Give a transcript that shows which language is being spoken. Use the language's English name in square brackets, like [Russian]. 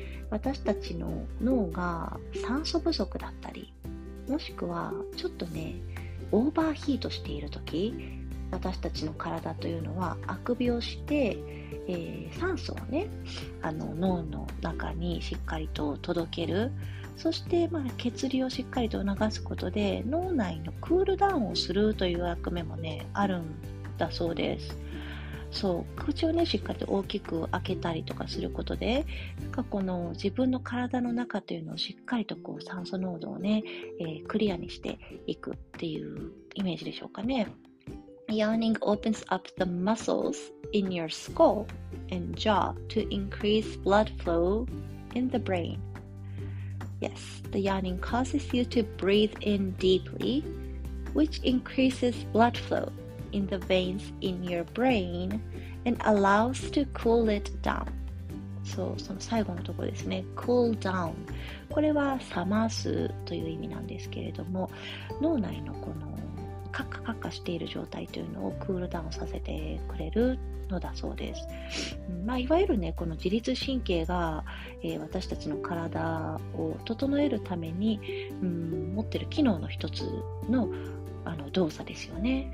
[Japanese] 私たちの脳が酸素不足だったり、もしくはちょっとね、オーバーヒートしているとき、私たちの体というのはあくびをして、酸素をね、脳の中にしっかりと届ける、そして、血流をしっかりと促すことで脳内のクールダウンをするという役目もね、あるんだそうです。そう、口をね、しっかりと大きく開けたりとかすることで、なんかこの自分の体の中というのをしっかりとこう酸素濃度をね、クリアにしていくっていうイメージでしょうかね。 [English] Yawning opens up the muscles in your skull and jaw to increase blood flow in the brain. Yes, the yawning causes you to breathe in deeply, which increases blood flowin the veins in your brain and allows to cool it down. [Japanese] そう、その最後のところですね。 [English] Cool down。 [Japanese] これは冷ますという意味なんですけれども、脳内のこのカッカカッカしている状態というのをクールダウンさせてくれるのだそうです。いわゆるね、この自律神経が、私たちの体を整えるために、持ってる機能の一つの動作ですよね。